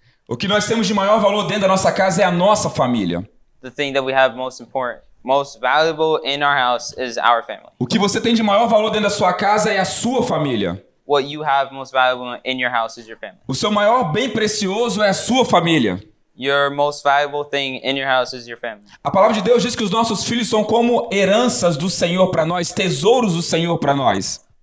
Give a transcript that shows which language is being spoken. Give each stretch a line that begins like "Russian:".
Portuguese: O que nós temos de maior valor dentro da nossa casa é a nossa família.
English: The thing that we have most valuable in our house is our family.
Portuguese: O que você tem de maior valor dentro da sua casa é a sua família.
English: What you have most valuable in your house is your family.
Portuguese: O seu maior bem precioso é a sua família.
English: Your most valuable thing in your house is your family.
Portuguese: A palavra de Deus diz que os nossos filhos são como heranças do Senhor para nós, tesouros do Senhor para nós.